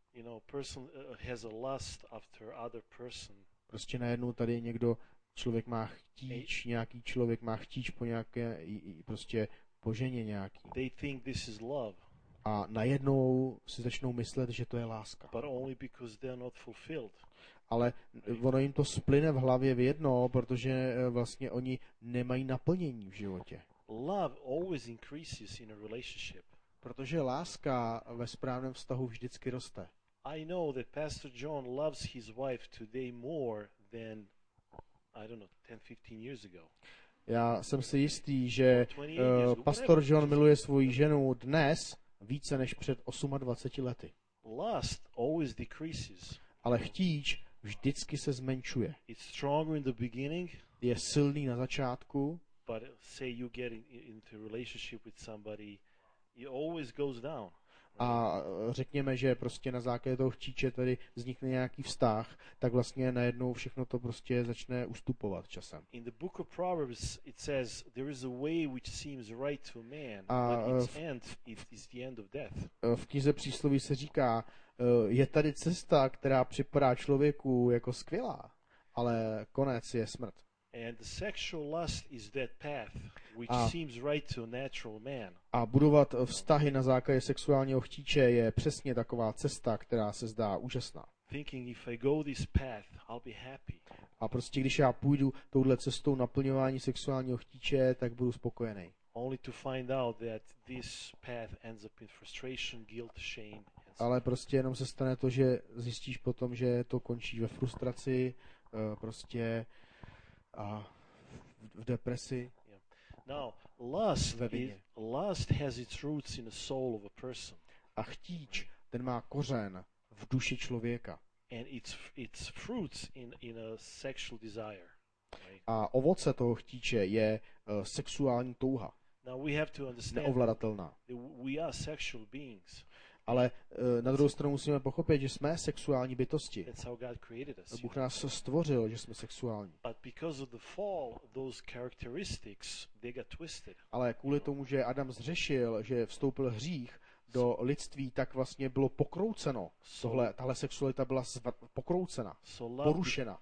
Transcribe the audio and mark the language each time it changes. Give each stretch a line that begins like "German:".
English: You know, person has a lust after other person.
Czech: Prostě najednou tady někdo, člověk má chtíč, nějaký člověk má chtíč po nějaké, prostě po ženě nějaký.
English: They think this is love.
Czech: A najednou si začnou myslet, že to je láska.
English: But only because they are not fulfilled.
Czech: Ale ono jim to splyne v hlavě v jedno, protože vlastně oni nemají naplnění v životě.
English: Love always increases in a relationship.
Czech: Protože láska ve správném vztahu vždycky roste.
English: I know that Pastor John loves his wife today more than, I don't know, 10-15 years ago.
Czech: Já jsem si jistý, že pastor John miluje svoji ženu dnes více než před 28 lety.
English: Lust always decreases.
Czech: Ale chtíč vždycky se zmenšuje.
English: It's stronger in the beginning.
Czech: Je silný na začátku.
English: But say you get into a relationship with somebody, it always goes down.
Czech: A řekněme, že prostě na základě toho chtíče tady vznikne nějaký vztah, tak vlastně najednou všechno to prostě začne ustupovat časem.
English: In the book of Proverbs it says there is a way which seems right to man, but its end is the end of death.
Czech: V knize přísloví se říká, je tady cesta, která připadá člověku jako skvělá, ale konec je smrt.
English: And the sexual lust is that path which seems right to a natural man.
Czech: A budovat vztahy na základě sexuálního chtíče je přesně taková cesta, která se zdá úžasná.
English: Thinking if I go this path, I'll be happy.
Czech: A prostě když já půjdu touhle cestou naplňování sexuálního chtíče, tak budu spokojený.
English: Only to find out that this path ends up in frustration, guilt, shame.
Czech: Ale prostě jenom se stane to, že zjistíš potom, že to končí ve frustraci, prostě a v depresi.
English: Now, lust, lust has its roots in the soul of a person.
Czech: A chtíč, ten má kořen v duši člověka.
English: And its fruits in a sexual desire.
Czech: A ovoce toho chtíče je sexuální touha.
English: Now we have to understand.
Czech: Neovladatelná.
English: We are sexual beings.
Czech: Ale na druhou stranu musíme pochopit, že jsme sexuální bytosti.
English: That's how God created us.
Czech: Bůh nás stvořil, že jsme sexuální.
English: But because of the fall, those characteristics, they got twisted.
Czech: Ale kvůli tomu, že Adam zřešil, že vstoupil hřích do lidství, tak vlastně bylo pokrouceno. Tohle, tahle sexualita byla pokroucena, porušena.